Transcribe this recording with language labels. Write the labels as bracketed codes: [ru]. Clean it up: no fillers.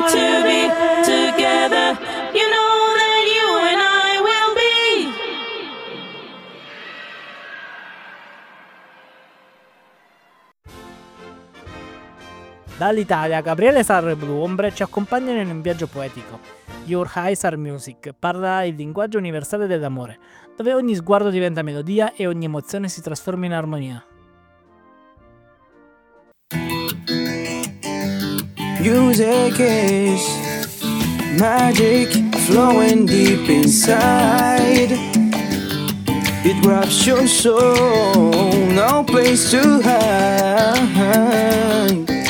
[en] you know that you and I will be. [it] Dall'Italia, Gabriele Sarro e Blu Ombre ci accompagnano in un viaggio poetico. Your Eyes Are Music parla il linguaggio universale dell'amore, dove ogni sguardo diventa melodia e ogni emozione si trasforma in armonia. [en] Music is magic flowing deep inside. It wraps your soul, no place to hide.